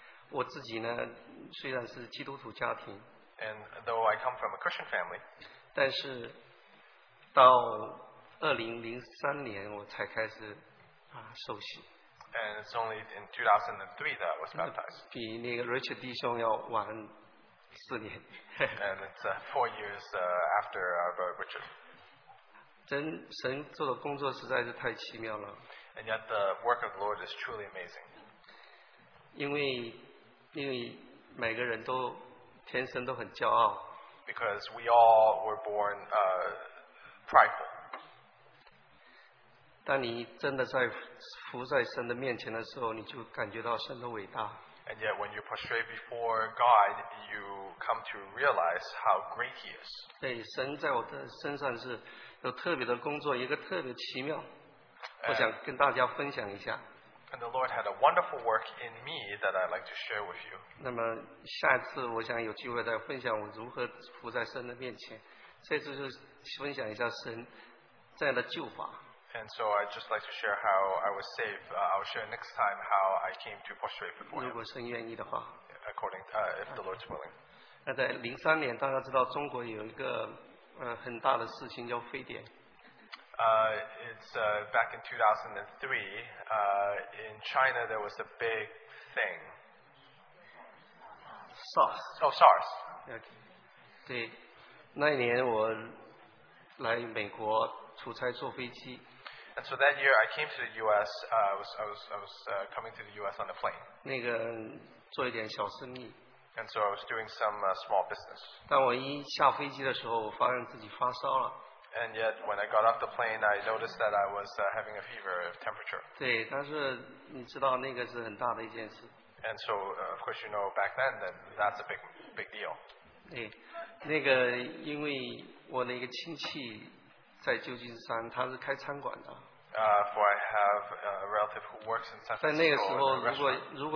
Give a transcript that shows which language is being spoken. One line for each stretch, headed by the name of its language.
Chinese: 我自己呢，虽然是基督徒家庭。
English: And though I come from a Christian family.
Chinese: 但是到2003年我才开始。受洗。
English: And it's only in 2003 that I was baptized.
Chinese: 比那个 Richard 弟兄要晚四年。
English: And it's four years after Richard.
Chinese: 真神做的工作实在是太奇妙了。
English: And yet the work of the Lord is truly amazing.
Chinese: 因为每个人都天生都很骄傲。
English: Because we all were born prideful.
Chinese: 当你真的在伏在神的面前的时候，你就感觉到神的伟大。
English: And yet when you prostrate before God, you come to realize how great he is.
Chinese: 对, 神在我的身上是, 有特别的工作, 一个特别奇妙, 我想跟大家分享一下。
English: And the Lord had a wonderful work in me that I'd like to share with you.
Chinese: 那么下一次我想有机会再分享我如何伏在神的面前, 这次就分享一下神在的救法。
English: And so I'd just like to share how I was saved. I'll share next time how I came to prostrate before him, according, if the Lord's willing.
Chinese: 那在03年, 大家知道中国有一个, 很大的事情叫非典。
English: It's back in 2003, in China there was a big thing. SARS. Oh, SARS. Okay. And so that year I came to the US, I was coming to the US on a plane.
Chinese: 那个做一点小生意。
English: And so I was doing some small business.
Chinese: 当我一下飞机的时候, 我发现自己发烧了。
English: And yet, when I got off the plane, I noticed that I was having a fever of temperature.
Chinese: 对，但是你知道那个是很大的一件事。
English: And so, of course, you know, back then, that that's a big deal.
Chinese: 对，那个因为我那个亲戚在旧金山，他是开餐馆的。
English: For I have a relative who works in San Francisco.